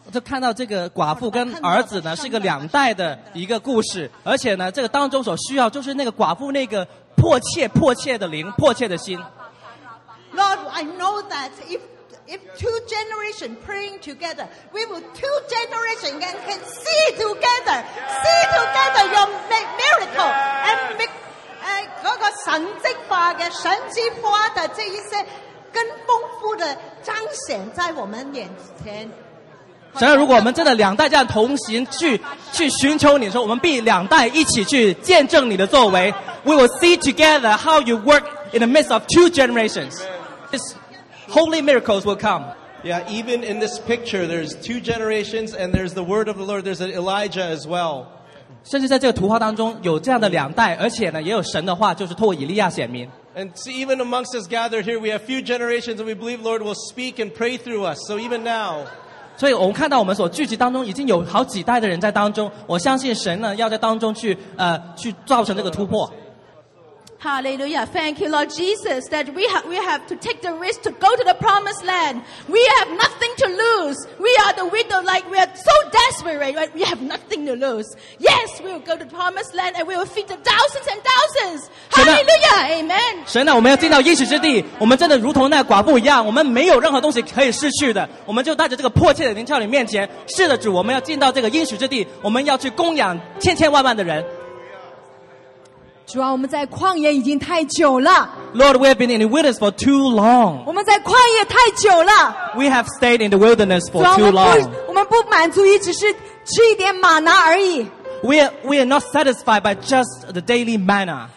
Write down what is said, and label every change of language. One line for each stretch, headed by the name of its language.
Chinese: 就看到这个寡妇跟儿子呢，是一个两代的一个故事，而且呢，这个当中所需要就是那个寡妇那个迫切的灵，迫切的心。
English: Lord, I know that if two generations praying together, we will two generations can see together your miracle and make
Chinese: 那个神迹化的神迹化的这一些更丰富的彰显在我们眼前。神，如果我们真的两代这样同行去寻求你的时候，我们必两代一起去见证你的作为。
English: We will see together how you work in the midst of two generations. His holy miracles will come. Yeah, even in this picture, there's two generations and there's the word of the Lord. There's an Elijah as well.
Chinese: 甚至在这个图画当中有这样的两代，而且呢也有神的话，就是透过以利亚显明。
English: And see, even amongst us gathered here, we have few generations and we believe Lord will speak and pray through us. So even now.
Chinese: 所以我们看到我们所聚集当中已经有好几代的人在当中，我相信神呢要在当中去造成这个突破。
English: Hallelujah. Thank you, Lord Jesus, that we have to take the risk to go to the promised land. We have nothing to lose. We are the widow, like we are so desperate, right? We have nothing to lose. Yes, we will go to the promised land and we will feed the thousands and thousands. Hallelujah. Amen.
Chinese: 神啊，我们要进到应许之地，我们真的如同那寡妇一样，我们没有任何东西可以失去的。我们就带着这个迫切的灵到你面前。是的，主，我们要进到这个应许之地，我们要去供养千千万万的人。主啊，我们在旷野已经太久了。
English: Lord, we have been in the wilderness for too long.
Chinese: 我们在旷野太久了。
English: We have stayed in the wilderness for too long.
Chinese: 我们不满足于只是吃一点玛拿而已。
English: we are not satisfied by just the daily manna.